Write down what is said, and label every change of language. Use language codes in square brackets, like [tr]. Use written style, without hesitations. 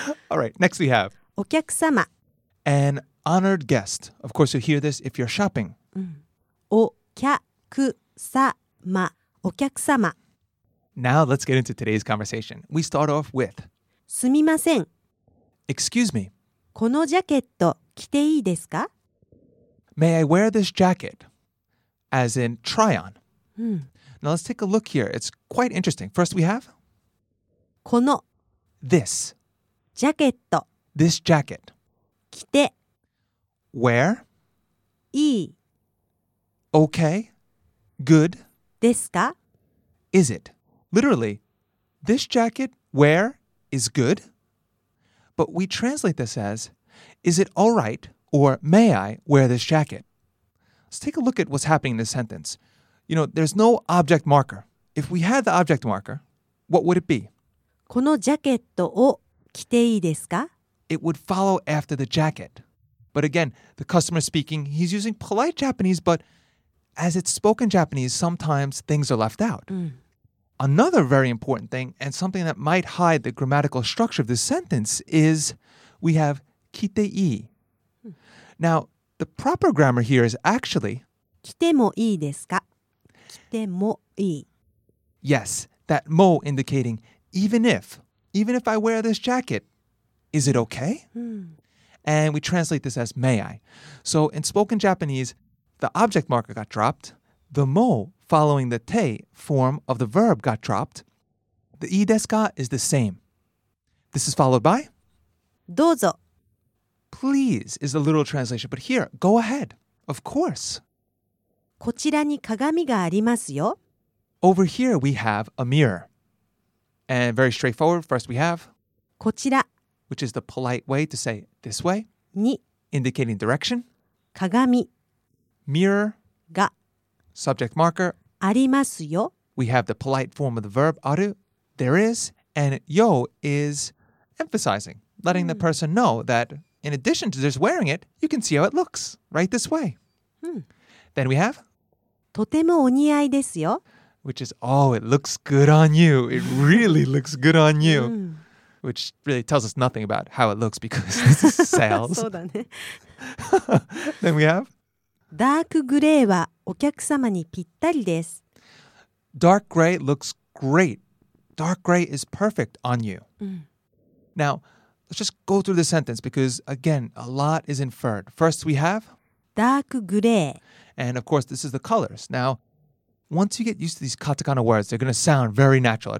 [en] All right. Next we have... [ja] お客様. [en] An honored guest. Of course, you'll hear this if you're shopping. [ja] お客様.お客様. [en] Now let's get into today's conversation. We start off with... [ja] すみません. [en] Excuse me. [ja] このジャケット着ていいですか? [en] May I wear this jacket? As in, try on. Now let's take a look here. It's quite interesting. First we have... [ja] この. [en] This. [ja] ジャケット. [en] This jacket. [ja] 着て. [en] Where? [ja] いい. [en] Okay. Good. [ja] ですか? [en] Is it? Literally, this jacket, where, is good. But we translate this as, is it all right or may I wear this jacket? Let's take a look at what's happening in this sentence. You know, there's no object marker. If we had the object marker, what would it be? [ja] このジャケットを着ていいですか? [en] It would follow after the jacket. But again, the customer speaking, he's using polite Japanese, but as it's spoken Japanese, sometimes things are left out. Another very important thing, and something that might hide the grammatical structure of this sentence, is we have 着ていい. Now, the proper grammar here is actually [ja] 着てもいいですか?着てもいい. [en] Yes, that mo indicating even if I wear this jacket, is it okay? And we translate this as, may I? So in spoken Japanese, the object marker got dropped. The mo following the te form of the verb got dropped. The ii desu ka is the same. This is followed by? [ja] どうぞ. [en] please is a literal translation, but here, go ahead. Of course. [ja] こちらに鏡がありますよ。 [en] Over here, we have a mirror. And very straightforward, first we have... [ja] こちら。 [en] Which is the polite way to say this way. [ja] に。 [en] Indicating direction. [ja] 鏡。 [en] Mirror. [ja] が。 [en] Subject marker. [ja] ありますよ。 [en] We have the polite form of the verb, ある。 There is. And よ is emphasizing, letting the person know that in addition to just wearing it, you can see how it looks right this way. Then we have... [ja] とてもお似合いですよ。 [en] Which is, oh, it looks good on you. It really looks good on you. Which really tells us nothing about how it looks because this is sales. [ja] そうだね。 [en] Then we have... [ja] ダークグレーはお客様にぴったりです。 [en] Dark gray looks great. Dark gray is perfect on you. Now, let's just go through the sentence because, again, a lot is inferred. First we have... [ja] ダークグレー。 [en] And, of course, this is the colors. Now... Once you get used to these katakana words, they're going to sound very natural.